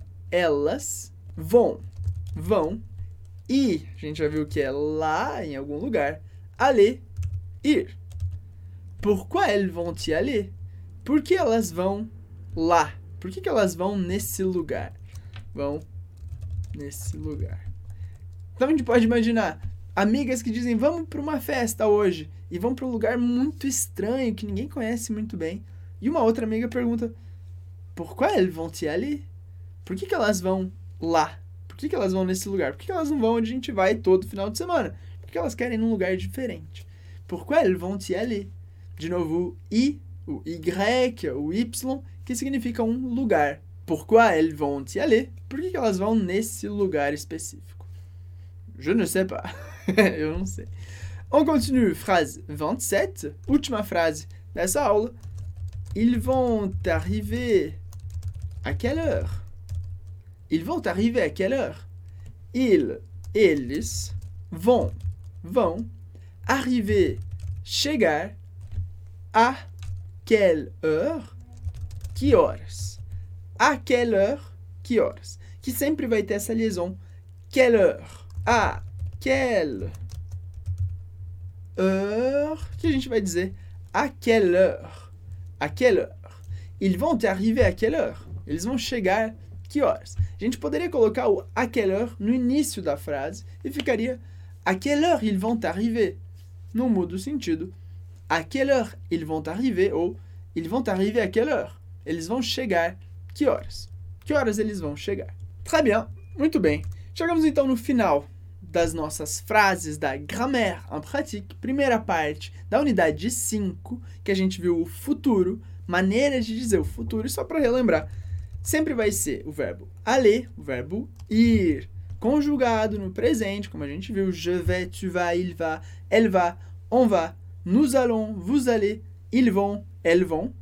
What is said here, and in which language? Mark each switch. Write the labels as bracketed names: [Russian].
[Portuguese] Elas vão, e, a gente já viu que é lá em algum lugar, aller, ir. [French] Pourquoi elles vont y aller? [Portuguese] Por que elas vão lá? Por que elas vão nesse lugar? Vão nesse lugar. Então a gente pode imaginar amigas que dizem vamos para uma festa hoje e vão para um lugar muito estranho que ninguém conhece muito bem. E uma outra amiga pergunta [French] pourquoi elles vont y aller? [Portuguese] Por que elas vão lá? Por que elas vão nesse lugar? Por que elas não vão onde a gente vai todo final de semana? Por que elas querem ir num lugar diferente? [French] Pourquoi elles vont y aller? [Portuguese] De novo i, o y, o y, que significa um lugar. [French] Pourquoi elles vont y aller? [Portuguese] Por que elas vão nesse lugar específico? [French] Je ne sais pas. [Portuguese] Eu não sei. [French] On continue. [Portuguese] Phrase 27. Última frase dessa aula. [French] Ils vont arriver à quelle heure? Ils vont arriver à quelle heure? [Portuguese] Eles vão arriver, chegar [French] à quelle heure? [Portuguese] Que horas? [French] À quelle heure, [Portuguese] que horas? Que sempre vai ter essa liaison. [French] Quelle heure? À quelle heure? [Portuguese] Que a gente vai dizer? [French] À quelle heure? À quelle heure? Ils vont arriver à quelle heure? [Portuguese] Eles vão chegar que horas? A gente poderia colocar o [French] à quelle heure no início da frase e ficaria à quelle heure ils vont arriver? [Portuguese] Não muda o sentido. [French] À quelle heure ils vont arriver? [Portuguese] Ou [French] ils vont arriver à quelle heure? [Portuguese] Eles vão chegar que horas? Que horas eles vão chegar? Très bien, muito bem. Chegamos então no final das nossas frases da Grammaire en Pratique, primeira parte da unidade 5, que a gente viu o futuro, maneiras de dizer o futuro. E só para relembrar, sempre vai ser o verbo aller, o verbo ir, conjugado no presente, como a gente viu, [French] je vais, tu vas, il va, elle va, on va, nous allons, vous allez, ils vont, elles vont.